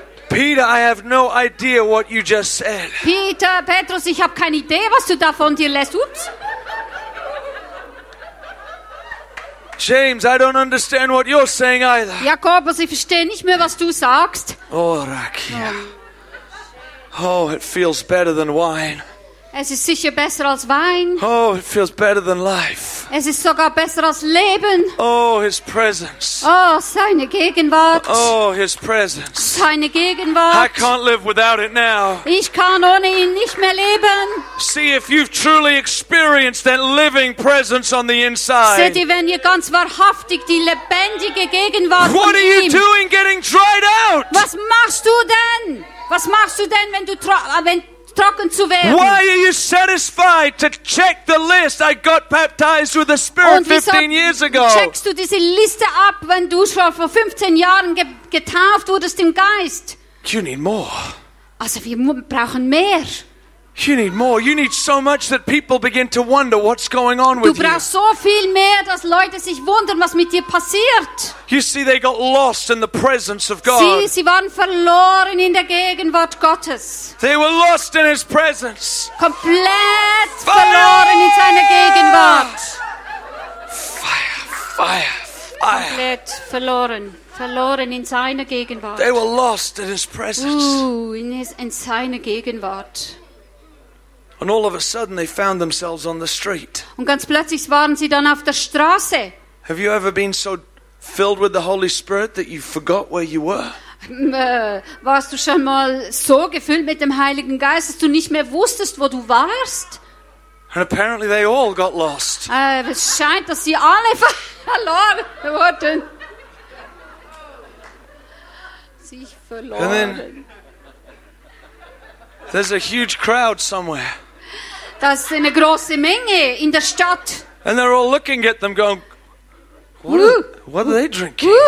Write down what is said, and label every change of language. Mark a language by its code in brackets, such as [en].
[en] Peter, I have no idea what you just said. [de] Peter, Petrus, ich habe keine Idee, was du da von dir lässt. [en] Oops. James, I don't understand what you're saying either. [de] Jakobus, ich verstehe nicht mehr, was du sagst. [en] Oh, Rakia. Oh, it feels better than wine. [de] Es ist sicher besser als Wein. [en] Oh, it feels better than life. [de] Es ist sogar besser als Leben. [en] Oh, his presence. [de] Oh, seine Gegenwart. [en] Oh, his presence. [de] Seine Gegenwart. [en] I can't live without it now. [de] Ich kann ohne ihn nicht mehr leben. [en] See if you've truly experienced that living presence on the inside. [de] Seht ihr, wenn ihr ganz wahrhaftig die lebendige Gegenwart von ihm. [en] What are you doing getting dried out? [de] Was machst du denn? Was machst du denn, wenn du trocken zu werden? [en] Why are you satisfied to check the list? I got baptized with the Spirit 15 years ago. [de] Checkst du diese Liste ab, wenn du schon vor 15 Jahren getauft wurdest im Geist? [en] You need more. [de] Also wir brauchen mehr. [en] You need more. You need so much that people begin to wonder what's going on with you. [de] Du brauchst so viel mehr, dass Leute sich wundern, was mit dir passiert. [en] You see, they got lost in the presence of God. [de] Sie waren verloren in der Gegenwart Gottes. [en] They were lost in his presence. [de] Komplett verloren in seiner Gegenwart. [en] Fire, fire, fire. [de] Komplett verloren. Verloren in seiner Gegenwart. [en] They were lost in his presence. [de] In seiner Gegenwart. [en] And all of a sudden they found themselves on the street. [de] Und ganz plötzlich waren sie dann auf der Straße. [en] Have you ever been so filled with the Holy Spirit that you forgot where you were? [de] Warst du schon mal so gefüllt mit dem Heiligen Geist, dass du nicht mehr wusstest, wo du warst? [en] And apparently they all got lost. [de] Es scheint, dass sie alle verloren wurden. Sich verloren. [en] And then, there's a huge crowd somewhere. [de] Das ist eine große Menge in der Stadt. [en] And they're all looking at them going, what are they drinking?